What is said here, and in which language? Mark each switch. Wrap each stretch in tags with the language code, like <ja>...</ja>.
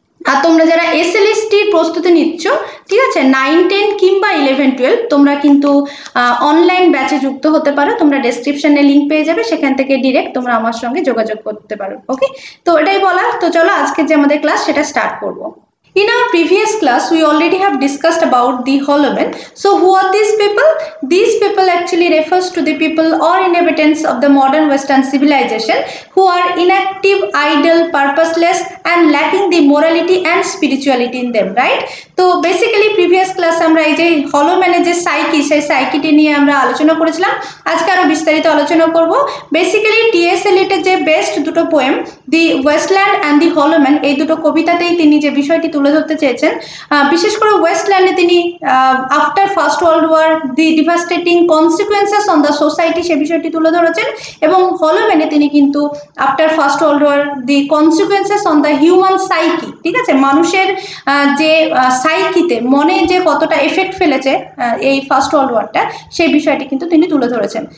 <bn>আর তোমরা যারা এসএলএসটির প্রস্তুতি নিচ্ছ, ঠিক আছে, 9-10 কিংবা 11-12, তোমরা কিন্তু অনলাইন ব্যাচে যুক্ত হতে পারো। তোমরা ডেসক্রিপশনে লিঙ্ক পেয়ে যাবে, সেখান থেকে ডিরেক্ট তোমরা আমার সঙ্গে যোগাযোগ করতে পারো, ওকে? তো এটাই বলা, তো চলো আজকে যে আমাদের ক্লাস সেটা স্টার্ট করবো।</bn> <en>In our previous class, we already have discussed about the Hollowmen. So, who are these people? These people actually refers to the people or inhabitants of the modern Western civilization who are inactive, idle, purposeless, and lacking the morality and spirituality in them, right? So, basically, previous class,</en> <bn>আমরা এই যে Hollowmen এর যে psyche, সেই psycheটি নিয়ে আমরা আলোচনা করেছিলাম। আজকে আরো বিস্তারিত আলোচনা করব। Basically, T.S. Eliot এর যে best দুটো poem, The Westland and the Hollowmen, এই দুটো কবিতাতেই তিনি যে বিষয়টি তুলে ধরতে চেয়েছেন। বিশেষ করে ওয়েস্টল্যান্ডে তিনি</bn> <en>after first world war the devastating consequences on the society</en> <bn>সে বিষয়টি তুলে ধরেছেন, এবং হলোম্যানে তিনি কিন্তু</bn> <en>after first world war the consequences on the human psyche,</en> <bn>ঠিক আছে, মানুষের যে সাইকিতে মনে যে কতটা এফেক্ট ফেলেছে এই ফার্স্ট ওয়ার্ল্ড ওয়ারটা সেই বিষয়টি কিন্তু তিনি তুলে ধরেছেন।</bn>